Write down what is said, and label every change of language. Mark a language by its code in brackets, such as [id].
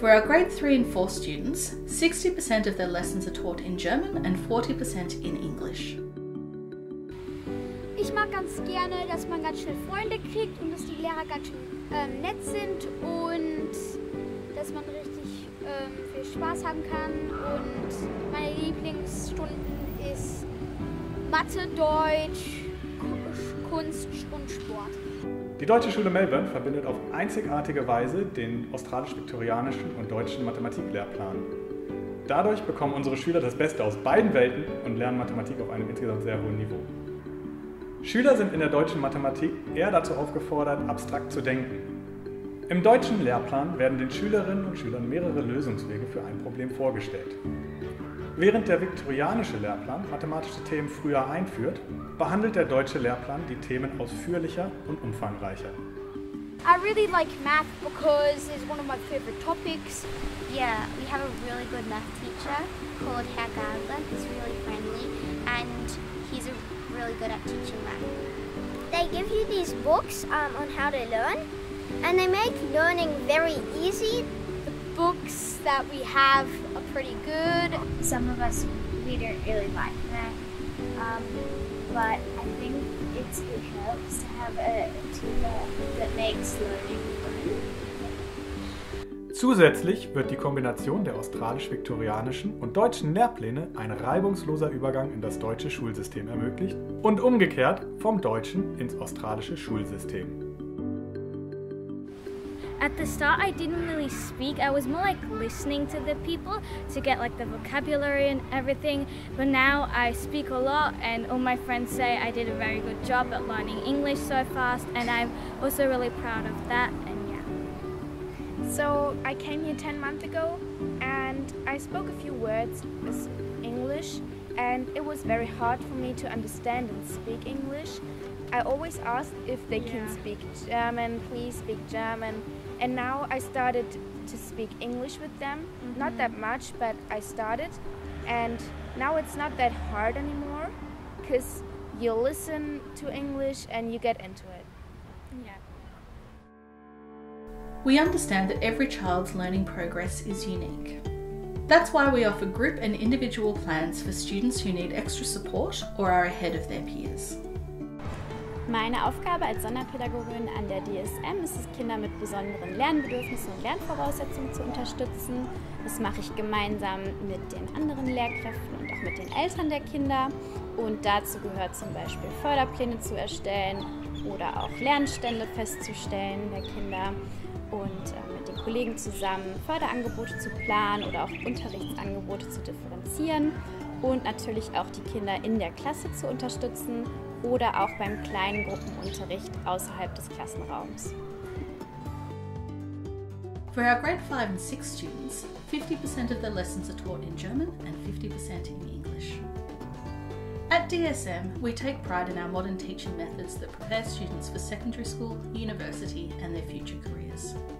[en] For our grade 3 and 4 students, 60% of their lessons are taught in German and 40% in English. [de] Ich mag ganz gerne, dass man ganz schnell Freunde kriegt und dass die Lehrer ganz schön nett sind und dass man richtig viel Spaß haben kann. Und meine Lieblingsstunden ist Mathe, Deutsch, Kunst und Sport. Die Deutsche Schule Melbourne verbindet auf einzigartige Weise den australisch-viktorianischen und deutschen Mathematiklehrplan. Dadurch bekommen unsere Schüler das Beste aus beiden Welten und lernen Mathematik auf einem insgesamt sehr hohen Niveau. Schüler sind in der deutschen Mathematik eher dazu aufgefordert, abstrakt zu denken. Im deutschen Lehrplan werden den Schülerinnen und Schülern mehrere Lösungswege für ein Problem vorgestellt. Während der viktorianische Lehrplan mathematische Themen früher einführt, behandelt der deutsche Lehrplan die Themen ausführlicher und umfangreicher. [en] I really like math because it's one of my favorite topics. Yeah, we have a really good math teacher called Herr Gardler. He's really friendly and he's really good at teaching math. They give you these books on how to learn, and they make learning very easy. The books that we have are pretty good. Some of us, we don't really like math, but I think it helps to have a tutor that makes learning fun. [de] Zusätzlich wird die Kombination der australisch-viktorianischen und deutschen Lehrpläne ein reibungsloser Übergang in das deutsche Schulsystem ermöglicht und umgekehrt vom deutschen ins australische Schulsystem. [en] At the start I didn't really speak, I was more like listening to the people to get like the vocabulary and everything, but now I speak a lot and all my friends say I did a very good job at learning English so fast and I'm also really proud of that. So I came here 10 months ago and I spoke a few words as English and it was very hard for me to understand and speak English. I always asked if they can speak German, please speak German. And now I started to speak English with them, not that much, but I started. And now it's not that hard anymore because you listen to English and you get into it. We understand that every child's learning progress is unique. That's why we offer group and individual plans for students who need extra support or are ahead of their peers. [de] Meine Aufgabe als Sonderpädagogin an der DSM ist es, Kinder mit besonderen Lernbedürfnissen und Lernvoraussetzungen zu unterstützen. Das mache ich gemeinsam mit den anderen Lehrkräften und auch mit den Eltern der Kinder. Und dazu gehört zum Beispiel Förderpläne zu erstellen oder auch Lernstände festzustellen der Kinder. Und mit den Kollegen zusammen Förderangebote zu planen oder auch Unterrichtsangebote zu differenzieren und natürlich auch die Kinder in der Klasse zu unterstützen oder auch beim kleinen Gruppenunterricht außerhalb des Klassenraums. [en] For our grade 5 and 6 students, 50% of the lessons are taught in German and 50% in English. At DSM, we take pride in our modern teaching methods that prepare students for secondary school, university, and their future careers.